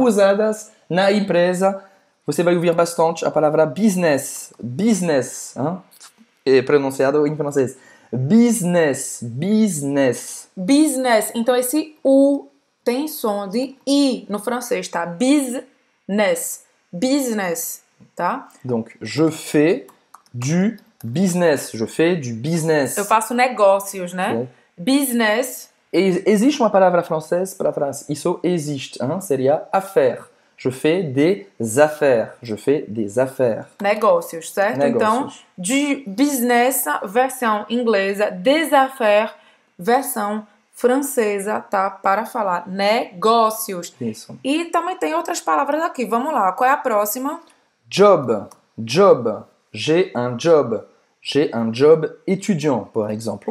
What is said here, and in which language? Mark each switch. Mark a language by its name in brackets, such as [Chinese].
[Portuguese] Usadas na empresa. Você vai ouvir bastante a palavra business. Business. Hein? É pronunciado em francês. [English] Business, business. [Portuguese] Business, então esse U tem som de I no francês, tá? [English] Business, business, tá? [French] Donc, je fais du business, je fais du business. [Portuguese] Eu faço negócios, né? Okay. Business. Existe uma palavra francesa para França, isso existe, hein? Seria [French] affaire. Je fais des affaires. Je fais des affaires. [Portuguese] Negócios, certo? Negócios. Então, [French] du business, [Portuguese] versão inglesa, [French] des affaires, [Portuguese] versão francesa, tá? Para falar negócios. Isso. E também tem outras palavras aqui. Vamos lá. Qual é a próxima? [French] Job. Job. J'ai un job. J'ai un job étudiant, por exemplo.